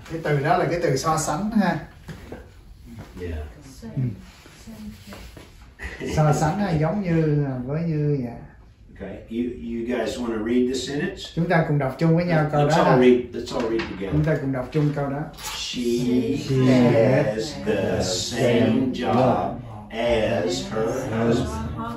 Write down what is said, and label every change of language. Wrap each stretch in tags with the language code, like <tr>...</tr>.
<vi>Cái từ đó là cái từ so sánh, ha.</vi> <en>Yeah.</en> <vi>So sánh giống như với như vậy.</vi> <en>Okay. You guys want to read the sentence?</en> <vi>Chúng ta cùng đọc chung với nhau câu</vi> <en>let's</en> <vi>đó.</vi> <en>Let's all read together.</en> <vi>Chúng ta cùng đọc chung câu đó.</vi> <en>She has the same job as her husband.</en>